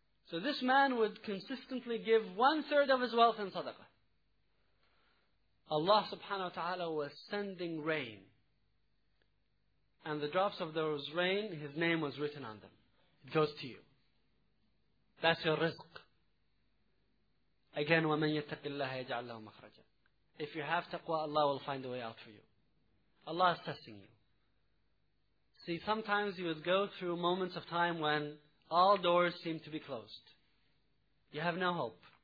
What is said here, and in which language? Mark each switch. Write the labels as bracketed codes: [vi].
[en] So this man would consistently give one third of his wealth in sadaqah. Allah subhanahu wa ta'ala was sending rain. And the drops of those rain, his name was written on them. It goes to you. That's your rizq. [ar] Again, وَمَنْ يَتَّقِ اللَّهَ يَجْعَلْ لَهُ مَخْرَجًا. [en] If you have taqwa, Allah will find a way out for you. Allah is testing you. See, sometimes you would go through moments of time when all doors seem to be closed. You have no hope.